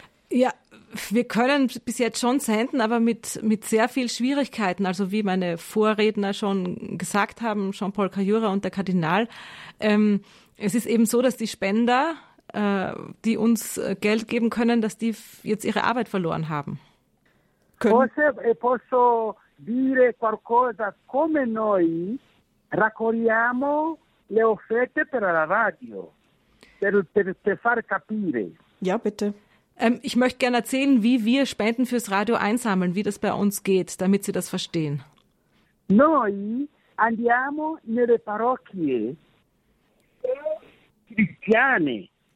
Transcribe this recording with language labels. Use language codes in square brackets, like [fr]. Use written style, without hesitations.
[de] Ja, wir können bis jetzt schon senden, aber mit sehr viel Schwierigkeiten. Also wie meine Vorredner schon gesagt haben, Jean-Paul Cajura und der Kardinal, es ist eben so, dass die Spender, die uns Geld geben können, dass die jetzt ihre Arbeit verloren haben. [it] Forse posso dire qualcosa, come noi raccogliamo le offerte per la radio, per far capire. [de] Ja, bitte. Ich möchte gerne erzählen, wie wir Spenden fürs Radio einsammeln, wie das bei uns geht, damit Sie das verstehen. [it] Noi andiamo nelle parrocchie cristiane.